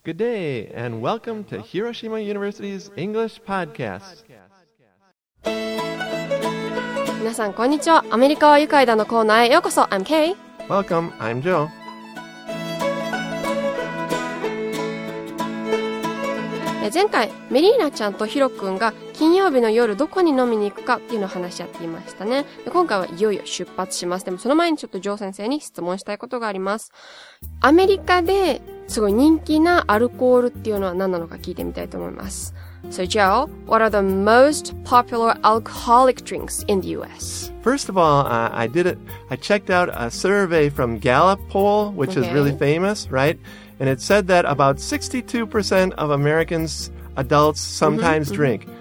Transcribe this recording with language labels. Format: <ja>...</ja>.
<en>Good day, and welcome to Hiroshima University's English Podcast.</en> <ja>皆さん、こんにちは。アメリカは愉快だのコーナーへようこそ。</ja> <en>I'm Kay. Welcome. I'm Joe.</en> <ja>前回メリーナちゃんとヒロ君が金曜日の夜どこに飲みに行くかっていうのを話し合っていましたね。で今回はいよいよ出発します。でもその前にちょっとジョー先生に質問したいことがあります。アメリカですごい人気なアルコールっていうのは何なのか聞いてみたいと思います。</ja> <en>So Joe, what are the most popular alcoholic drinks in the US? First of all, I checked out a survey from Gallup poll, which is really famous, right? And it said that about 62% of Americans, adults, sometimes drink.</en>